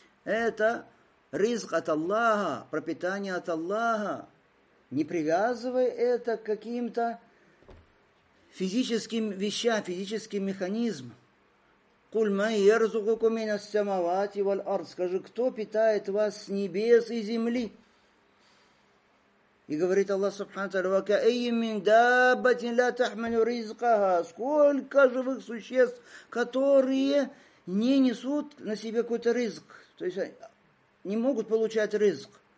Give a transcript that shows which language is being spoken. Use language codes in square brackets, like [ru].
[ru] Это ризг от Аллаха, пропитание от Аллаха. Не привязывай это к каким-то физическим вещам, физическим механизмам. [ar] قُلْ مَنْ يَرْزُقُكُمْ مِنَ السَّمَوَاتِ وَالْأَرْضِ. [ru] Скажи, кто питает вас с небес и земли? И говорит Аллах Субхану Тааля, [ar] وَكَأَيِّ مِنْ دَابَّةٍ لَا تَحْمَلُ رِزْقَهَا. [ru] Сколько живых существ, которые не несут на себе какой-то риск, то есть не могут получать риск.